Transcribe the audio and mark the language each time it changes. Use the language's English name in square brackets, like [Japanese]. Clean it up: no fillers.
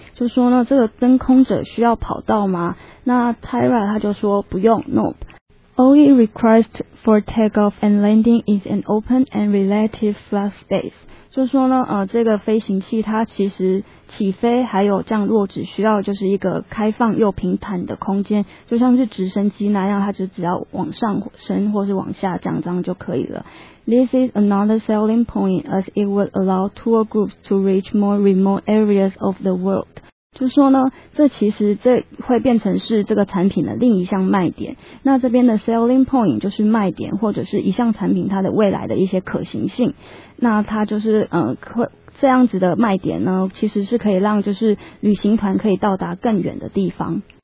[Chinese] 就说呢, 这个登空者需要跑道吗? 那 Tyra 他就说, 不用, nope. [English] All it requires for takeoff and landing is an open and relative flat space. [Chinese] 就说呢, 这个飞行器它其实 起飞还有降落只需要就是一个开放又平坦的空间, 就像是直升机那样, 它就只要往上升或是往下降这样就可以了。 [English] This is another selling point, as it would allow tour groups to reach more remote areas of the world. [Chinese] 就说呢, 这其实会变成是这个产品的另一项卖点, 那这边的 selling point 就是卖点, 或者是一项产品它的未来的一些可行性, 那它就是, 这样子的卖点呢, 其实是可以让就是旅行团可以到达更远的地方。